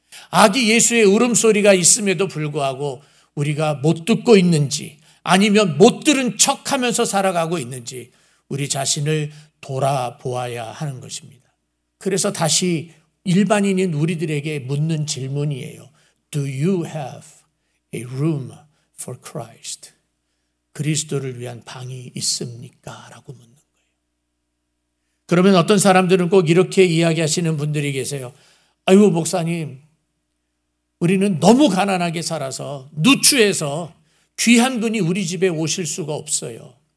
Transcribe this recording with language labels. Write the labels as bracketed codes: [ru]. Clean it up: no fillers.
[ko] 아기 예수의 울음소리가 있음에도 불구하고 우리가 못 듣고 있는지 아니면 못 들은 척하면서 살아가고 있는지 우리 자신을 돌아보아야 하는 것입니다. 그래서 다시 일반인인 우리들에게 묻는 질문이에요. [en] Do you have a room for Christ? [ko] 그리스도를 위한 방이 있습니까? 라고 묻는. 그러면 어떤 사람들은 꼭 이렇게 이야기하시는 분들이 계세요. 아이고 목사님, 우리는 너무 가난하게 살아서 누추해서 귀한 분이 우리 집에 오실 수가 없어요.